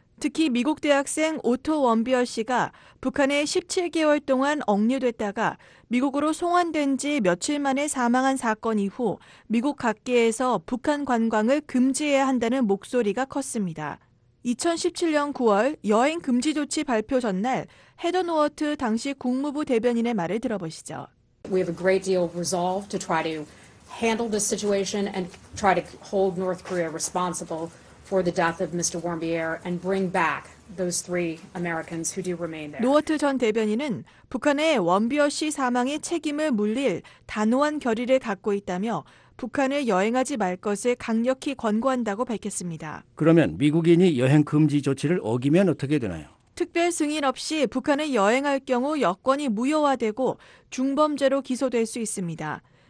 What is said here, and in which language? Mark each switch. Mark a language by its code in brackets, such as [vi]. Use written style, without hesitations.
[ko] 특히 미국 대학생 오토 원비어 씨가 북한에 17개월 동안 억류됐다가 미국으로 송환된 지 며칠 만에 사망한 사건 이후 미국 각계에서 북한 관광을 금지해야 한다는 목소리가 컸습니다. 2017년 9월 여행 금지 조치 발표 전날 헤던 워트 당시 국무부 대변인의 말을 들어보시죠. [en] We have a great deal of resolve to try to handle this situation and try to hold North Korea responsible for the death of Mr. Warmbier and bring back those three Americans who do remain there. [ko] 노어트 전 대변인은 북한의 원비어 씨 사망의 책임을 물릴 단호한 결의를 갖고 있다며 북한을 여행하지 말 것을 강력히 권고한다고 밝혔습니다. 그러면 미국인이 여행 금지 조치를 어기면 어떻게 되나요? 특별 승인 없이 북한을 여행할 경우 여권이 무효화되고 중범죄로 기소될 수 있습니다.